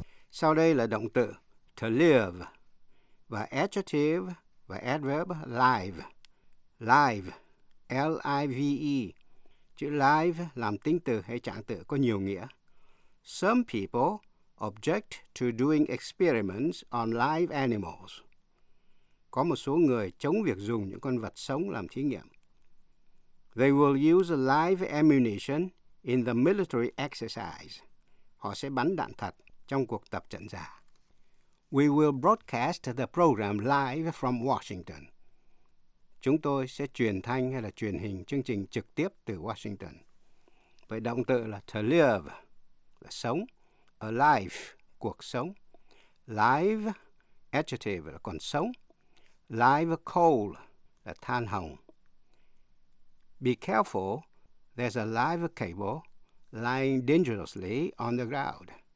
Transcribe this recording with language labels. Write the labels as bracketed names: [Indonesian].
[Vietnamese] Sau đây là động từ to live và adjective và adverb live. Live, L-I-V-E. Chữ live làm tính từ hay trạng từ có nhiều nghĩa. [English] Some people object to doing experiments on live animals. [Vietnamese] Có một số người chống việc dùng những con vật sống làm thí nghiệm. [English] They will use live ammunition in the military exercise. [Vietnamese] Họ sẽ bắn đạn thật trong cuộc tập trận giả. [English] We will broadcast the program live from Washington. [Vietnamese] Chúng tôi sẽ truyền thanh hay là truyền hình chương trình trực tiếp từ Washington. Vậy động từ là to live, là sống. Alive, cuộc sống. Live, adjective là còn sống. [English] live coal, [Vietnamese] là than hồng. [English] Be careful, there's a live cable lying dangerously on the ground.